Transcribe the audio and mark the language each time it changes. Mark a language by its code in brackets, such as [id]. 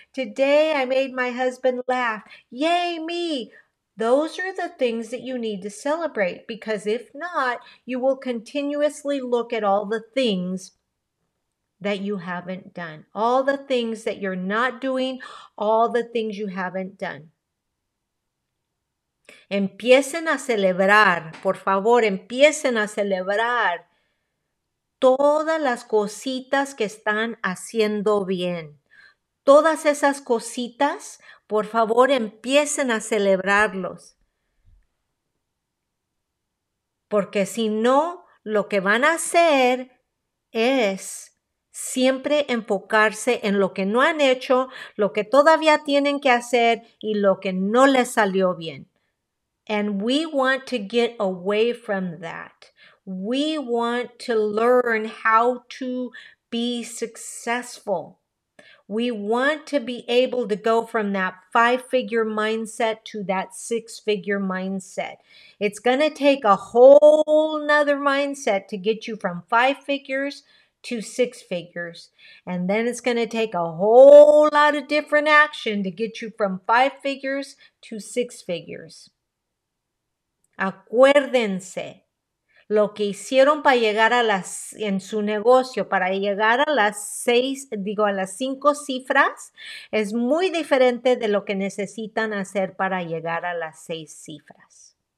[en] Today I made my husband laugh. Yay me! Those are the things that you need to celebrate, because if not, you will continuously look at all the things that you haven't done. All the things that you're not doing, all the things you haven't done. [es] Empiecen a celebrar, por favor, empiecen a celebrar todas las cositas que están haciendo bien. Todas esas cositas, por favor, empiecen a celebrarlos. Porque si no, lo que van a hacer es siempre enfocarse en lo que no han hecho, lo que todavía tienen que hacer y lo que no les salió bien. [en] And we want to get away from that. We want to learn how to be successful. We want to be able to go from that five-figure mindset to that six-figure mindset. It's going to take a whole nother mindset to get you from five figures to six figures. And then it's going to take a whole lot of different action to get you from five figures to six figures. [es] Acuérdense. Lo que hicieron para llegar a las, en su negocio, para llegar a las seis, digo, a las cinco cifras, es muy diferente de lo que necesitan hacer para llegar a las seis cifras.